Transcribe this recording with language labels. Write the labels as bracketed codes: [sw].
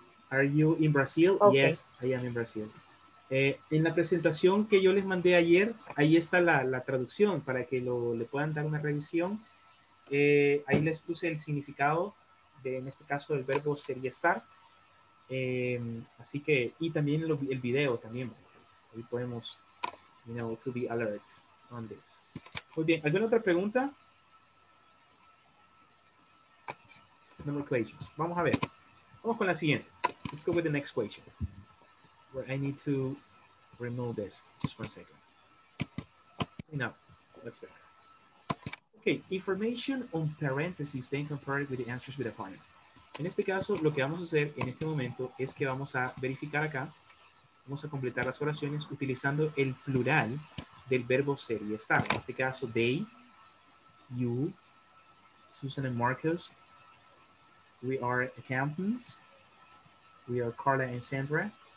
[en] ¿Are you in Brazil? Okay. Yes, I am in Brazil. [es] En la presentación que yo les mandé ayer, ahí está la traducción para que le puedan dar una revisión. Ahí les puse el significado de, en este caso, del verbo ser y estar. Así que, y también el video también. Ahí podemos, [en] you know, to be alert on this. [es] Muy bien, ¿alguna otra pregunta? [en] No more questions. [es] Vamos a ver. Vamos con la siguiente. [en] Let's go with the next question. Where I need to remove this. Just one second. No, that's better. Okay, information on parentheses, then compare it with the answers with a partner. [es] En este caso, lo que vamos a hacer en este momento es que vamos a verificar acá, vamos a completar las oraciones utilizando el plural del verbo ser y estar. En este caso, [en] they, you, Susan and Marcus, we are accountants, we are Carla and Sandra.